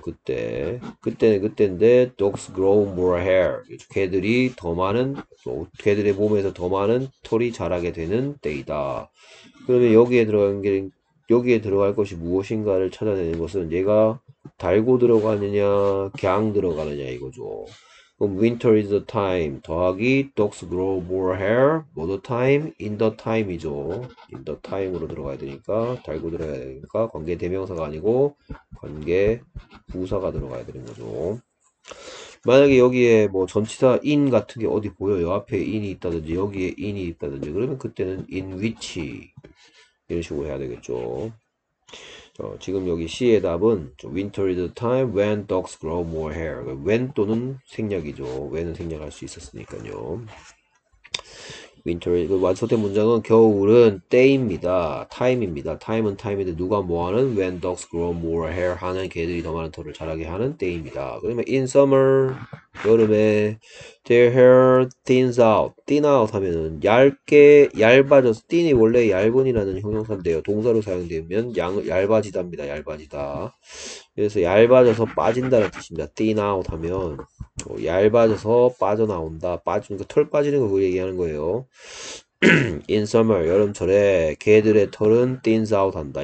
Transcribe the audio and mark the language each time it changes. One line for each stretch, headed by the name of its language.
Korean: 그때. 그때인데
English: dogs grow more hair.
Korean: 개들이 더 많은 개들의 몸에서 더 많은 털이 자라게 되는 때이다. 그러면 여기에 들어갈 것이 무엇인가를 찾아내는 것은 얘가 달고 들어가느냐, 걍 들어가느냐 이거죠. 그럼 winter is the time 더하기
English: dogs grow more hair,
Korean: more time, in the time이죠. in the time으로 들어가야 되니까, 달고 들어가야 되니까, 관계 대명사가 아니고, 관계 부사가 들어가야 되는 거죠. 만약에 여기에 뭐 전치사 in 같은 게 어디 보여요? 앞에 in이 있다든지, 여기에 in이 있다든지, 그러면 그때는 in which, 이런 식으로 해야 되겠죠. 지금 여기 C의 답은
English: Winter is the time when dogs grow more hair.
Korean: When 또는 생략이죠. When은 생략할 수 있었으니까요. Winter 완성된 문장은 겨울은 때입니다. Time입니다. Time은 time인데 누가 뭐하는
English: When dogs grow more hair
Korean: 하는 개들이 더 많은 털을 자라게 하는 때입니다. 그러면 In summer 여름에
English: their hair thins out.
Korean: thin out 하면은 얇게 얇아져서 thin이 원래 얇은이라는 형용사인데요. 동사로 사용되면 얇아지답니다. 얇아지다. 그래서 얇아져서 빠진다는 뜻입니다. thin out 하면 얇아져서 빠져나온다. 그러니까 털 빠지는 걸 얘기하는 거예요. In summer 여름철에 개들의 털은 thins out 한다.